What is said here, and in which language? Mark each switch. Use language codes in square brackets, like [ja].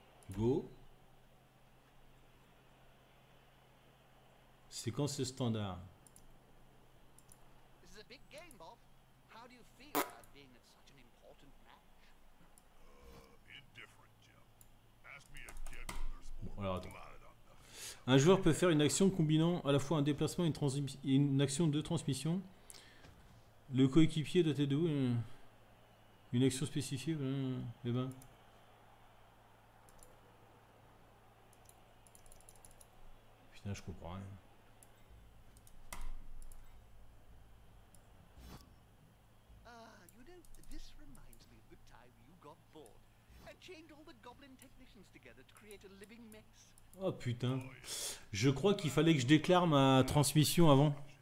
[en] Go. [fr] C'est quand ce standard? [en] This is a big game, Bob. How do you feel about being at such an important match? Indifferent, Jim. Ask me again when there's more. [fr] Un joueur peut faire une action combinant à la fois un déplacement et une action de transmission. Le coéquipier doit être doué. Une action spécifique. Eh ben. Putain, je comprends rien. [en] You know, this reminds me of the time you got bored and chained all the goblin technicians together to create a living mess. [fr] Oh putain, je crois qu'il fallait que je déclare ma transmission avant.